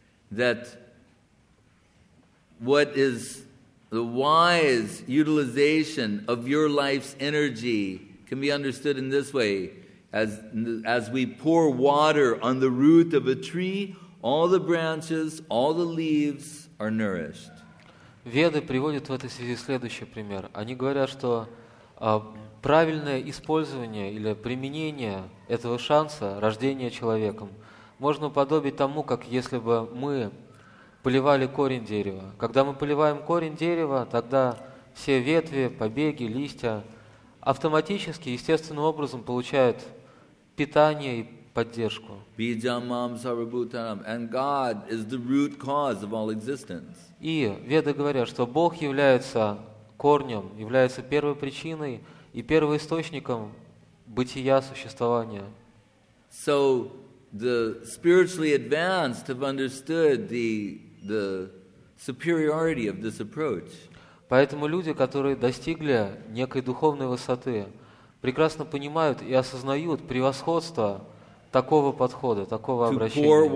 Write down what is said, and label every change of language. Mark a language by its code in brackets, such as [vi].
[en] That what is the wise utilization of your life's energy can be understood in this way, as we pour water on the root of a tree, all the branches, all the leaves are nourished. [ru] Веды приводят в этой связи следующий пример. Они говорят, что правильное использование или применение этого шанса рождения человеком можно уподобить тому, как если бы мы поливали корень дерева. Когда мы поливаем корень дерева, тогда все ветви, побеги, листья автоматически, естественным образом получают питание и поддержку. [en] And God is the root cause of all existence. [ru] И веды говорят, что Бог является корнем, является первой причиной и первоисточником бытия, существования. [en] So the spiritually advanced have understood the superiority of this approach. [ru] Поэтому люди, которые достигли некой духовной высоты, прекрасно понимают и осознают превосходство такого подхода, такого обращения.